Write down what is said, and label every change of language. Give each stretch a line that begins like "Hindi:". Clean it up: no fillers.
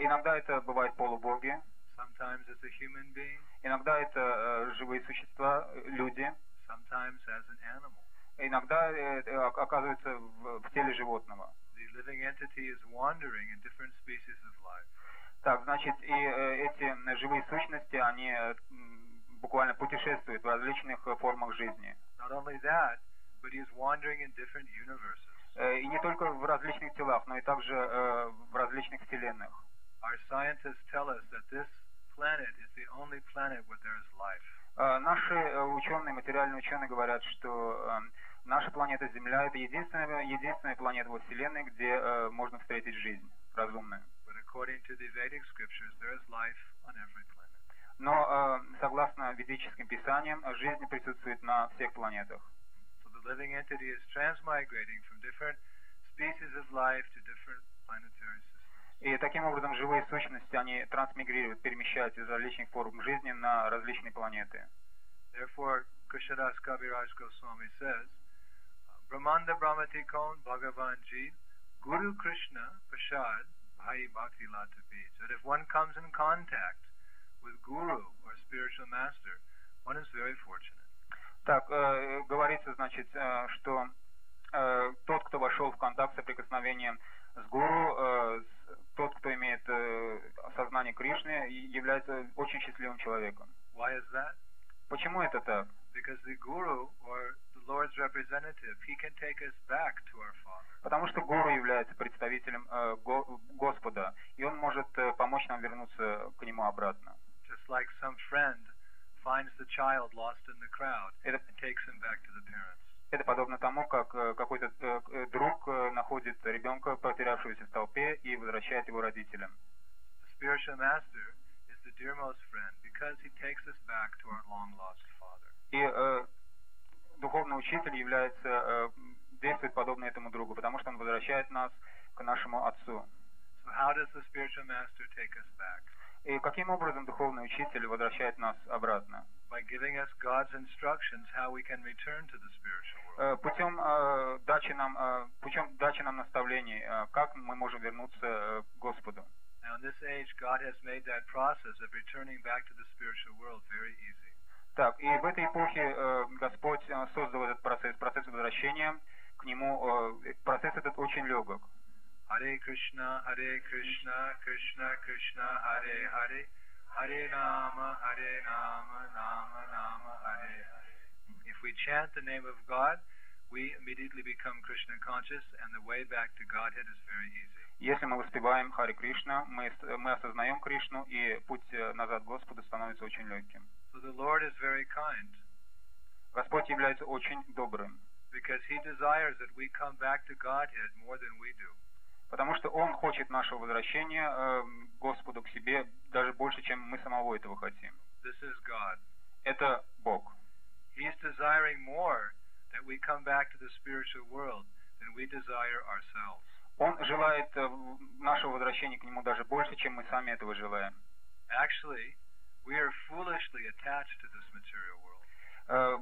Russian: Иногда это бывает полубоги.
English: Sometimes it's a human being.
Russian: Иногда это живые существа, люди.
English: Sometimes as an animal.
Russian: Иногда оказывается в теле животного.
English: The living entity is wandering in different species of life.
Russian: Так, значит, и эти живые сущности, они буквально путешествуют в различных формах жизни.
English: Not only that, but he is wandering in different universes.
Russian: И не только в различных телах, но и также в различных вселенных.
English: Our scientists tell us that this planet is the only planet where there is life.
Russian: Наши ученые, материальные ученые говорят, что наша планета Земля это единственная планета во вселенной, где можно встретить жизнь разумную.
English: But according to the Vedic scriptures, there is life on every planet.
Russian: Но согласно ведическим писаниям, жизнь присутствует на всех планетах.
English: The living entity is transmigrating from different species of life to different planetary systems.
Russian: И таким образом живые сущности, они трансмигрируют, перемещаются из различных форм жизни на различные планеты.
English: Therefore, Krishnadas Kaviraj Goswami says, Brahmanda Brahmati Kaun Bhagavan Ji, Guru Krishna Prashad Bhai Bhakti Lata Bhi. So if one comes in contact with Guru or spiritual master, one is very fortunate.
Russian: Так, говорится, значит, что тот, кто вошел в контакт, соприкосновение с Гуру, тот, кто имеет сознание Кришны, является очень счастливым человеком.
English: Why is that?
Russian: Почему это так?
English: Because the Guru or the Lord's representative, he can take us back to our Father.
Russian: Потому что Гуру является представителем Господа, и он может помочь нам вернуться к нему обратно.
English: Just like some friend finds the child lost in the crowd and takes him back to the parents.
Russian: Это подобно тому, как какой-то друг находит ребенка, потерявшегося в толпе, и возвращает его родителям.
English: The spiritual master is the dearmost friend because he takes us back to our long-lost father.
Russian: И духовный учитель является действует подобно этому другу, потому что он возвращает нас к нашему отцу.
English: So how does the spiritual master take us back?
Russian: И каким образом духовный учитель возвращает нас обратно?
English: By giving us God's instructions how we can return to the spiritual world.
Russian: Путем дачи нам наставлений, как мы можем вернуться к Господу.
English: Now in this age, God has made that process of returning back to the spiritual world very easy.
Russian: Так, и в этой эпохе Господь создал этот процесс, процесс возвращения к нему, процесс этот очень легок.
Sanskrit: Hare Krishna, Hare Krishna, Krishna Krishna, Hare Hare. Hare Nama, Hare Nama, Nama Nama, Hare Hare.
English: If we chant the name of God, we immediately become Krishna conscious, and the way back to Godhead is very easy.
Russian: Если мы воспеваем Харе Кришна, мы осознаем Кришну, и путь назад к Господу становится очень легким.
English: So the Lord is very kind.
Russian: Господь является очень добрым.
English: Because He desires that we come back to Godhead more than we do.
Russian: Потому что Он хочет нашего возвращения Господу к себе даже больше, чем мы самого этого хотим.
English: This is God.
Russian: Это Бог.
English: He is desiring more that we come back to the spiritual world than we desire ourselves.
Russian: Он желает нашего возвращения к Нему даже больше, чем мы сами этого желаем.
English: Actually, we are foolishly attached to this material world.